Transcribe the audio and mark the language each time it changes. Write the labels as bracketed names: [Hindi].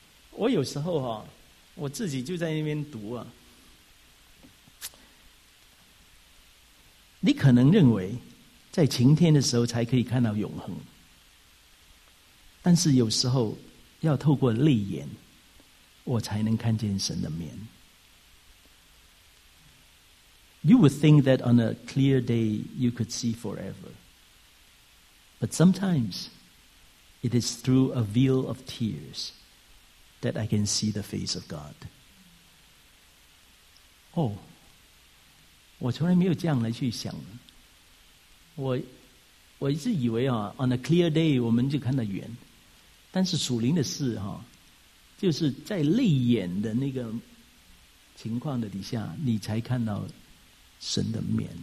[Chinese] 我有时候我自己就在那边读啊，你可能认为在晴天的时候才可以看到永恒，但是有时候要透过泪眼我才能看见神的面。 [English] You would think that on a clear day you could see forever, but sometimes it is through a veil of tears that I can see the face of God. [Chinese] 我从来没有这样来去想。我一直以为 [English] on a clear day [Chinese] 我们就看得远，但是属灵的事就是在泪眼的那个情况的底下你才看到神的面。